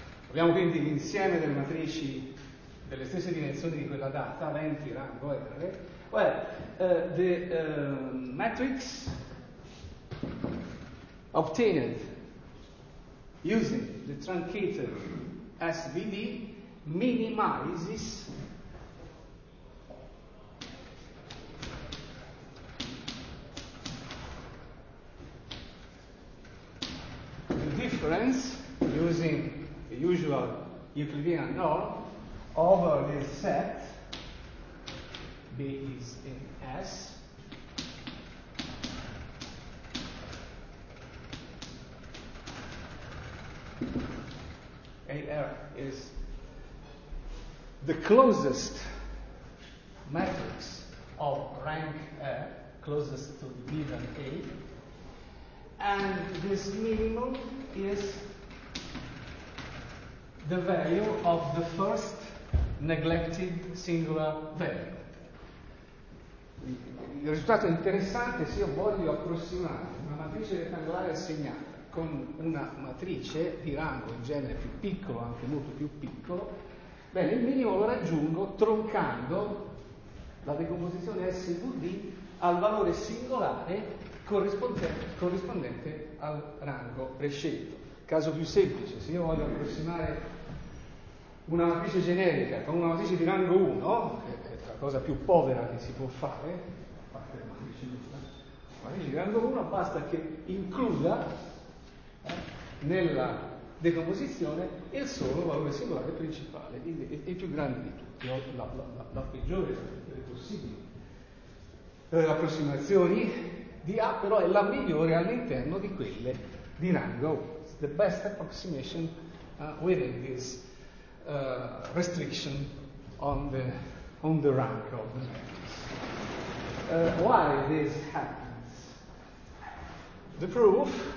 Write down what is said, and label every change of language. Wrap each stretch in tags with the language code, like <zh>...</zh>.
<it>Abbiamo quindi l'insieme delle matrici delle stesse dimensioni di quella data, 20 rango R.</it> <en>Well, the matrix obtained using the truncated SVD minimizes the difference using the usual Euclidean norm over the set B is in S AR is the closest matrix of rank R, closest to B than A, and this minimum is the value of the first neglected singular value.</en> <it>Il risultato interessante, se io voglio approssimare una matrice rettangolare assegnata con una matrice di rango in genere più piccolo, anche molto più piccolo, bene, il minimo lo raggiungo troncando la decomposizione S su D al valore singolare corrispondente al rango prescelto. Caso più semplice, se io voglio approssimare una matrice generica con una matrice di rango 1, che è la cosa più povera che si può fare, a parte la matrice giusta, la matrice di rango 1 basta che includa nella decomposizione il solo valore singolare principale, il più grande di tutti, la peggiore delle possibili approssimazioni di A, però è la migliore all'interno di quelle di rango 1.</it> <en>The best approximation within this restriction on the rank of the matrix. Why this happens?</en>